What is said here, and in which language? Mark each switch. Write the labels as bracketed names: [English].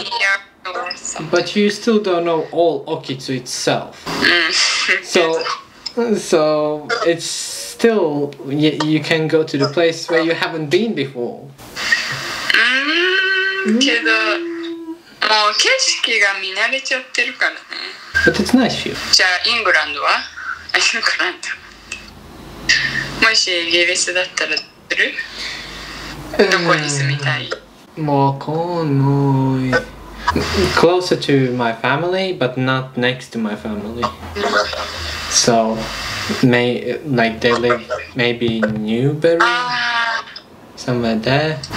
[English] here, but you still don't know all Okitsu itself. So it's still, you can go to the place where you haven't been before. But [Japanese] もう景色が見慣れちゃってるからね。 [English] But it's nice view. [Japanese] じゃあ、イングランドは？イングランド。もしイギリスだったらする？どこに住みたい？わかんない。 [English] closer to my family, but not next to my family. So, may, like they live maybe in Newbury, somewhere there.